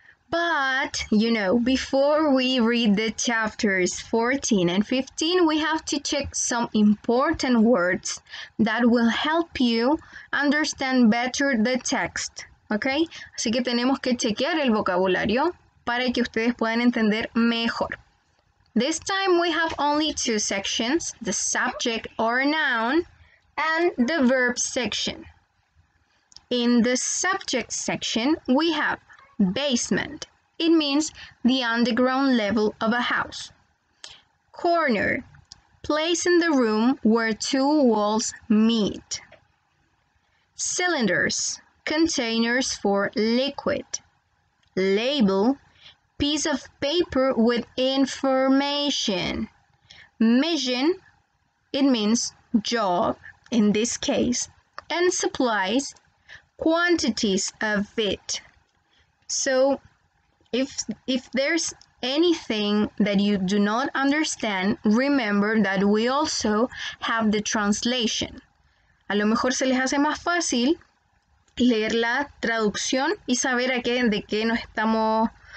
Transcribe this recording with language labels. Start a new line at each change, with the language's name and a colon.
English: But, you know, before we read the chapters 14 and 15, we have to check some important words that will help you understand better the text, okay?
Spanish: Así que tenemos que chequear el vocabulario para que ustedes puedan entender mejor.
English: This time we have only two sections, the subject or noun and the verb section. In the subject section, we have basement. It means the underground level of a house. Corner, place in the room where two walls meet. Cylinders, containers for liquid. Label, piece of paper with information. Mission, it means job in this case. And supplies, quantities of it. So, if there's anything that you do not understand, remember that we also have the translation.
Spanish: A lo mejor se les hace más fácil leer la traducción y saber a qué, de qué nos estamos...